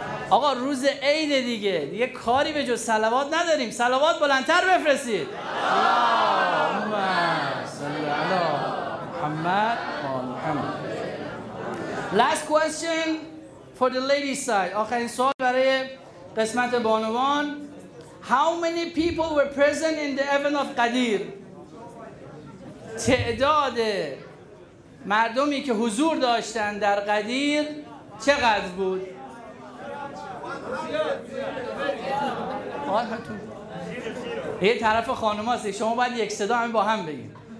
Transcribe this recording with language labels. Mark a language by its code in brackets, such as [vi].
[fa] آقا روز عید دیگه، دیگه کاری به جز صلوات نداریم. صلوات بلندتر بفرستید. اللهم صل علی محمد و آل محمد. [en] Last question for the ladies side. [fa] آخرین سوال برای قسمت بانوان. [en] How many people were present in the event of Qadir? [fa] تعداد مردمی که حضور داشتند در قدیر چقدر بود؟ یه طرف خانم هستی، شما باید یک صدا همی با هم بگیم.